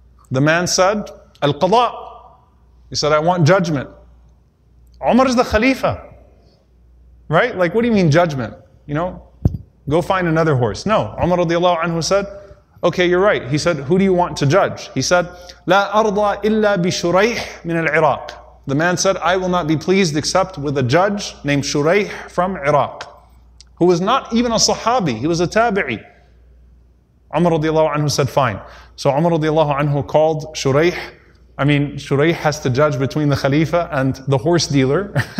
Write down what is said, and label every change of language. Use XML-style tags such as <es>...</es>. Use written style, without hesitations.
<en>The man said, Al-Qadha. He said, I want judgment. Umar is the Khalifa. Right? Like, what do you mean judgment? You know, go find another horse. No, Umar radiallahu anhu said, okay, you're right. He said, who do you want to judge? He said,</en> <ar>لا أرضى إلا بشريح من العراق.</ar> <en>The man said, I will not be pleased except with a judge named Shuraih from Iraq, who was not even a Sahabi, he was a Tabi'i. Umar radiallahu anhu said, fine. So Umar radiallahu anhu called Shuraih. I mean, Shuraih has to judge between the Khalifa and the horse dealer.</en>